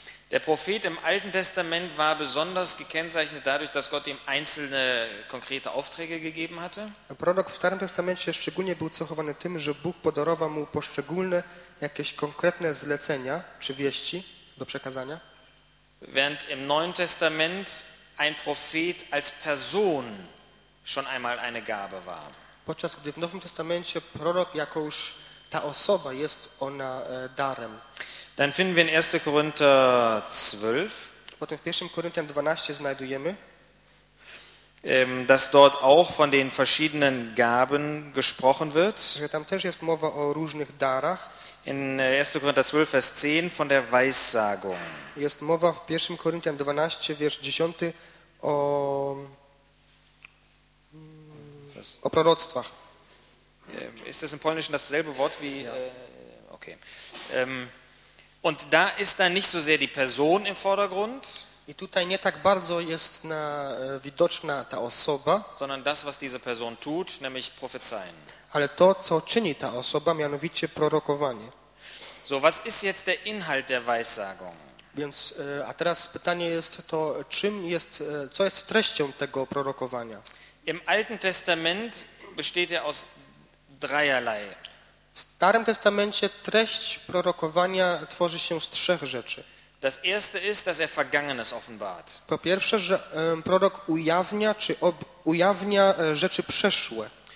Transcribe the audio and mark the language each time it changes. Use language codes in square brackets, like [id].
[de] Der Prophet im Alten Testament war besonders gekennzeichnet dadurch, dass Gott ihm einzelne konkrete Aufträge gegeben hatte. [pl] Prorok w Starym Testamencie szczególnie był cechowany tym, że Bóg podarował mu poszczególne jakieś konkretne zlecenia czy wieści do przekazania. [de] Während im Neuen Testament ein Prophet als Person schon einmal eine Gabe war. [pl] Podczas gdy w Nowym Testamencie prorok jako już ta osoba jest ona darem. [de] Dann finden wir in 1. Korinther 12. [pl] Potem w 1. Korinther 12 znajdujemy, [de] dass dort auch von den verschiedenen Gaben gesprochen wird. [pl] Że tam też jest mowa o różnych darach. [de] In 1. Korinther 12, Vers 10 von der Weissagung. [pl] Jest mowa w 1. Korinther 12, Vers 10 o... O proroctwach. [de] Ist das im Polnischen dasselbe Wort wie... Okay. Und da ist dann nicht so sehr die Person im Vordergrund. [pl] I tutaj nie tak bardzo jest na, widoczna ta osoba. [de] Sondern das, was diese Person tut, nämlich prophezeien. [pl] Ale to, co czyni ta osoba, mianowicie prorokowanie. [de] So, was ist jetzt der Inhalt der Weissagung? [pl] Więc, a teraz pytanie jest to, czym jest, co jest treścią tego prorokowania? [de] Im Alten Testament besteht er aus dreierlei. [pl] W Starym Testamencie treść prorokowania tworzy się z trzech rzeczy. [de] Das erste ist, dass er Vergangenes offenbart. [pl] Po pierwsze, że prorok ujawnia czy ujawnia rzeczy przeszłe.